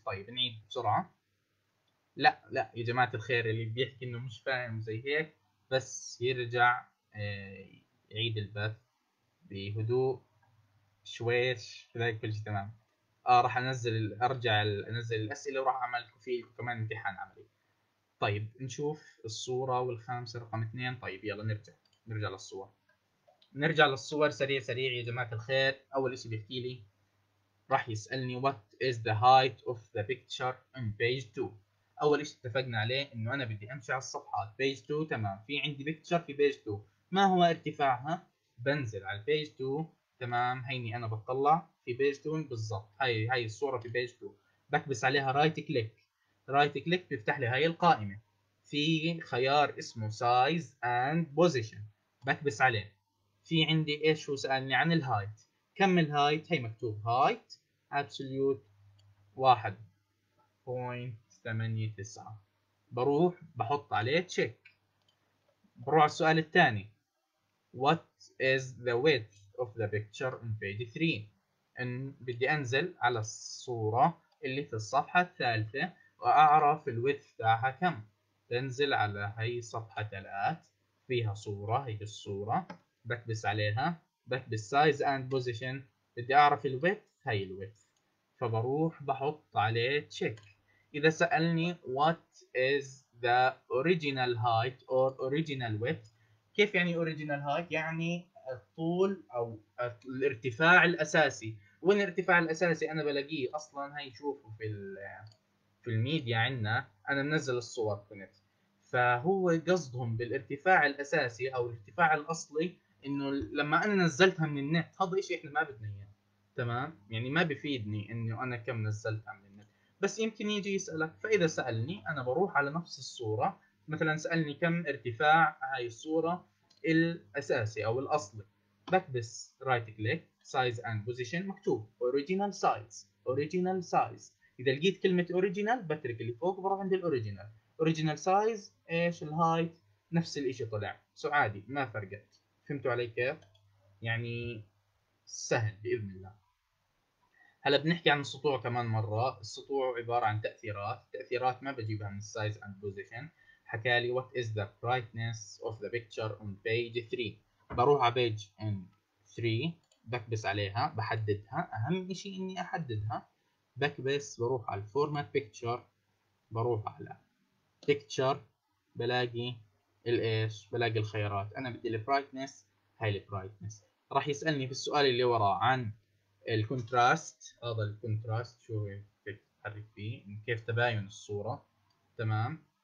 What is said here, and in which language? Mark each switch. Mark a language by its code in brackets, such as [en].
[ar] طيب نعيد بسرعة. لا لا يا جماعة الخير، اللي بيحكي إنه مش فاهم زي هيك بس يرجع يعيد البث بهدوء شويش، كذلك كل شيء تمام. راح أنزل، أرجع أنزل الأسئلة وراح أعمل في كمان امتحان عملي. طيب نشوف الصورة والخامسة رقم 2. طيب يلا نرجع، نرجع للصور، نرجع للصور سريع سريع يا جماعة الخير. أول شيء بيحكي لي، راح يسألني [en] what is the height of the picture on page 2. [ar] أول شيء اتفقنا عليه إنه أنا بدي أمشي على الصفحات page 2، تمام. في عندي picture في page 2، ما هو ارتفاعها؟ بنزل على page 2، تمام. هيني أنا بطلع في page 2 بالضبط، هاي الصورة في page 2. بكبس عليها right click، right click بيفتح لي هاي القائمة، في خيار اسمه size and position، بكبس عليه. في عندي ايش هو سألني عن الهايت، كم الهايت؟ هي مكتوب هايت ابسوليوت 1.89، بروح بحط عليه تشيك. [en] بروح على السؤال الثاني، what is the width of the picture in page 3. [ar] ان بدي انزل على الصوره اللي في الصفحه الثالثه واعرف الويدث تاعها كم. بنزل على هي الصفحه تلات، فيها صوره، هي الصوره، بكبس عليها، بكبس size and position، بدي أعرف ال width، هاي ال width، فبروح بحط عليه check. إذا سألني [en] what is the original height or original width، [ar] كيف يعني original height؟ يعني الطول أو الارتفاع الأساسي. وين الارتفاع الأساسي؟ أنا بلاقيه أصلاً، هاي شوفه في الميديا عندنا، أنا منزل الصور كنت، فهو قصدهم بالارتفاع الأساسي أو الارتفاع الأصلي انه لما انا نزلتها من النت، هذا شيء احنا ما بدنا اياه، تمام. يعني ما بفيدني انه انا كم نزلتها من النت، بس يمكن يجي يسالك. فاذا سالني انا بروح على نفس الصوره، مثلا سالني كم ارتفاع هاي الصوره الاساسي او الاصلي، بكبس رايت كليك سايز اند بوزيشن، مكتوب اوريجينال سايز، اوريجينال سايز. اذا لقيت كلمه اوريجينال بترك اللي فوق بروح عند الاوريجينال، اوريجينال سايز ايش الهايت، نفس الاشي طلع، سو عادي ما فرقت. فهمتوا علي كيف؟ يعني سهل بإذن الله. هلا بنحكي عن السطوع كمان مرة. السطوع عبارة عن تأثيرات، تأثيرات ما بجيبها من size and position. حكى لي [en] what is the brightness of the picture on page 3. [ar] بروح على page 3، بكبس عليها، بحددها، أهم إشي إني أحددها، بكبس، بروح على format picture، بروح على picture، بلاقي الايش؟ بلاقي الخيارات. انا بدي البرايتنس، هاي البرايتنس. راح يسالني في السؤال اللي وراه عن الكونتراست، هذا الكونتراست شو بتحرك فيه، كيف تباين الصوره، تمام.